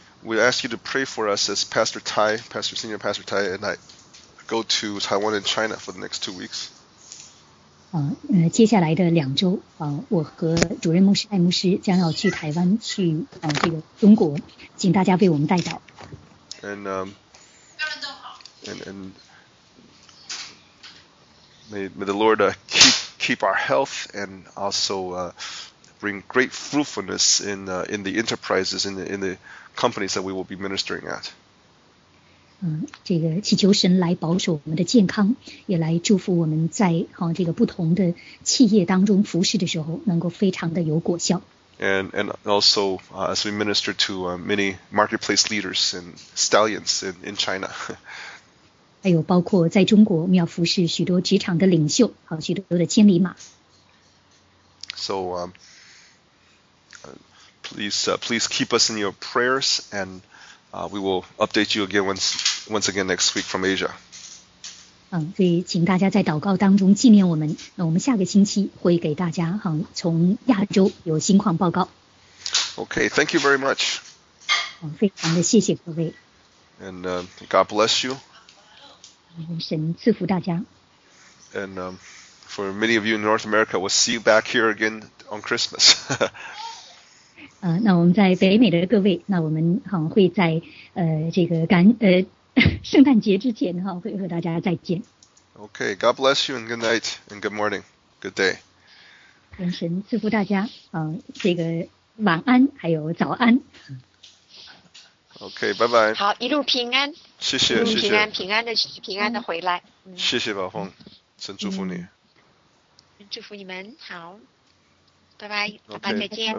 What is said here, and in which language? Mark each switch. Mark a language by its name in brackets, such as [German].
[English] we ask you to pray for us as Pastor Tai, Pastor Senior Pastor Tai, and I go to Taiwan and China for the next 2 weeks. [Chinese] 接下来的两周，我和主任牧师艾牧师将要去台湾，去这个中国，请大家为我们代祷。 [English] And may the Lord keep our health and also bring great fruitfulness in the enterprises in the companies that we will be ministering at. [Chinese] 这个祈求神来保守我们的健康，也来祝福我们在这个不同的企业当中服事的时候，能够非常的有果效。 [English] And also as we minister to many marketplace leaders and stallions in China. [Chinese] 还有包括在中国，我们要服事许多职场的领袖，许多的千里马。 [English] So please keep us in your prayers and we will update you again once again next week from Asia. [Chinese] 所以请大家在祷告当中纪念我们，那我们下个星期会给大家从亚洲有新况报告。 [English] Okay, thank you very much. [Chinese] 非常的谢谢各位。 [English] And God bless you. [Chinese] 神赐福大家。 [English] And for many of you in North America, we'll see you back here again on Christmas. [Chinese] 那我们在北美的各位，那我们会在这个圣诞节之前会和大家再见。 [English] Okay, God bless you and good night and good morning, good day. [Chinese] 神赐福大家，这个晚安还有早安。 OK, 拜拜。好，一路平安。谢谢，一路平安，平安的回来。谢谢宝峰，神祝福你。祝福你们，好，拜拜，爸爸再见，